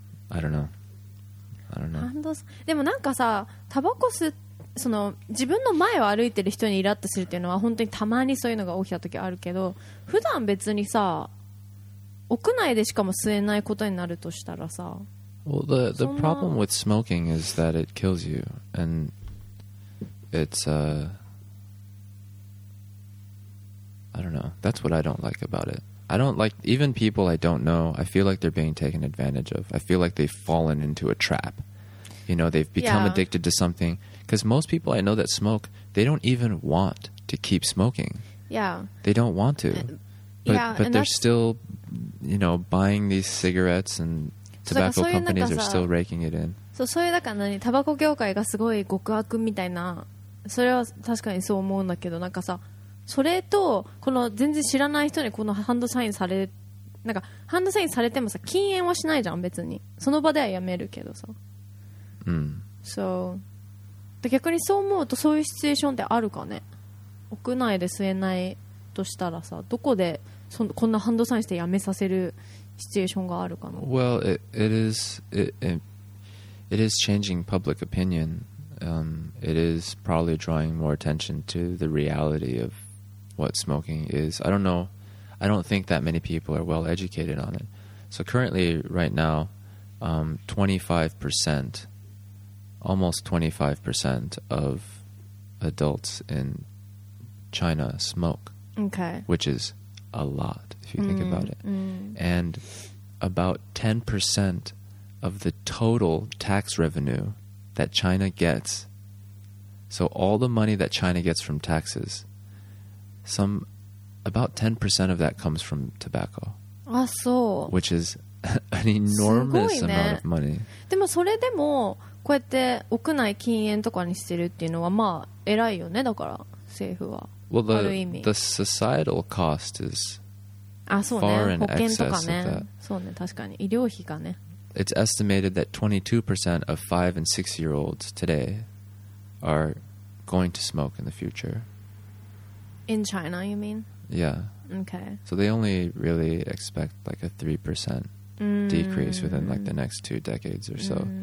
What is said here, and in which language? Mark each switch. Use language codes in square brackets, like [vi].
[en] I don't know. I don't know. [ja] ハンドス。でもなんかさ、タバコ吸って、その自分の前を歩いてる人にイラッとするっていうのは本当にたまにそういうのが起きた時あるけど、普段別にさ、屋内でしかも吸えないことになるとしたらさ、 [en] Well, the problem with smoking is that it kills you and it's I don't know, that's what I don't like about it. I don't like even people I don't know, I feel like they're being taken advantage of. I feel like they've fallen into a trap. You know, they've become addicted to something. Because most people I know that smoke, they don't even want to keep smoking. Yeah. They don't want to. But, yeah, but they're still, you know, buying these cigarettes and tobacco companies are still raking it in. [ja] そう、そういうだから何、タバコ業界がすごい極悪みたいな、それは確かにそう思うんだけど、なんかさ、それとこの全然知らない人にこのハンドサインされ、なんかハンドサインされてもさ、禁煙はしないじゃん、別に。その場ではやめるけどさ。うん。 [en] So... [ja] 逆にそう思うとそういうシチュエーションってあるかね、屋内で吸えないとしたらさ、どこでそこんなハンドサインしてやめさせるシチュエーションがあるかな。 [en] Well, it is changing public opinion. It is probably drawing more attention to the reality of what smoking is. I don't know, I don't think that many people are well educated on it. So currently, right now, 25%almost 25% of adults in China smoke. Okay. Which is a lot, if you think about it. And about 10% of the total tax revenue that China gets, so all the money that China gets from taxes, some, about 10% of that comes from tobacco. Ah, so. Which is an enormous amount of money. [ja] でもそれでもこうやって屋内禁煙とかにしてるっていうのはまあ偉いよね、だから政府は。 [en] Well, the, [ja] ある意味 [en] the societal cost is far in excess of that. [ja] そうね、確かに医療費がね。 [en] It's estimated that 22% of 5- and 6-year-olds today are going to smoke in the future. In China, you mean? Yeah. Okay. So they only really expect like a 3%decrease within like the next 2 decades or so.